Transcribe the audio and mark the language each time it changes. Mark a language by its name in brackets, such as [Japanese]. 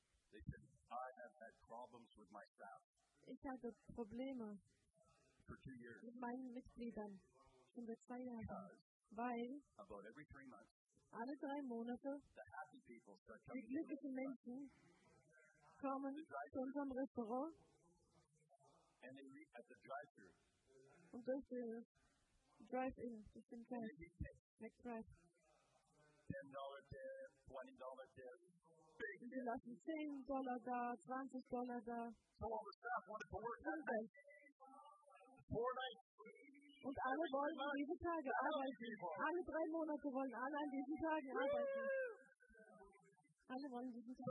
[English] They said, I have had problems with my staff. [German] Ich hatte Probleme [English] for 2 years. [German] Mit meinen Mitgliedern schon seit 2 Jahren. Weil [English] about every 3 months, [German] alle 3 Monate [English] the happy people start coming, [German] die glücklichen Menschen kommen zu unserem Restaurant. [English] And they meet at the drive-thru. [German] Und durch den Drive-In, durch den Cash, McDrive. [English] $10 tip, $20 tip. [German] Und sie lassen $10 da, $20 da. [English] So all the staff wanted to work that day. 4 nights. [German] Und alle wollen an diesen Tagen arbeiten. Alle 3 Monate wollen alle an diesen Tagen arbeiten. Alle wollen diesen Tag arbeiten.